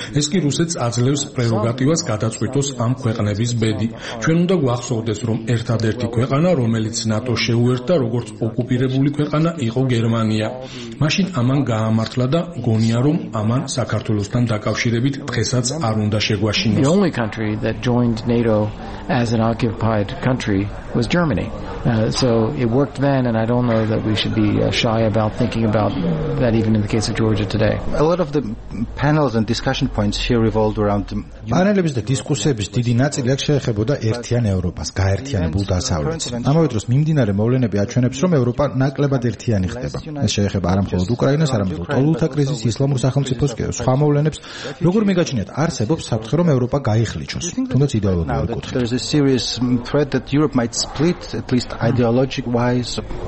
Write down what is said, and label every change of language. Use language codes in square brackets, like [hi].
[ka] ეს კი რუსეთს აძლევს პრეროგატივას გადაწყვიტოს ამ ქვეყნების ბედი. ჩვენ უნდა გვახსოვდეს, რომ ერთადერთი ქვეყანა, რომელიც ნატოს შეუერთდა, როგორც ოკუპირებული ქვეყანა, იყო გერმანია. მაშინ ამან გაამართლა და გონია, რომ ამან საქართველოსთან დაკავშირებით დღეს რომელსაც არ უნდა შეგვაშინოს. [en] The only country that joined NATO as an occupied country was Germany. So it worked then and I don't know that we should be shy about thinking about that even in the case of Georgia today. A lot of the panels and discussion points here revolved around [ka] პანელების და დისკუსიების დიდი ნაწილი აქ შეეხებოდა ერთიან ევროპას, გაერთიანებულ დასავლეთს. ამავე დროს მიმდინარე მოვლენები აჩვენებს, რომ ევროპა ნაკლებად ერთიანი ხდება. ეს შეეხება არამხოლოდ უკრაინას, არამხოლოდ ტოლუთა კრიზის ისლამურ სახელმწიფოს კი სხვა მოვლენებს, როგორ მიგაჩნიათ, არსებობს საფრთხე, რომ ევროპა გაიხლიჩოს, თუნდაც იდეოლოგიური კუთხით. [en] There is a serious threat that Europe might split at least ideologically-wise.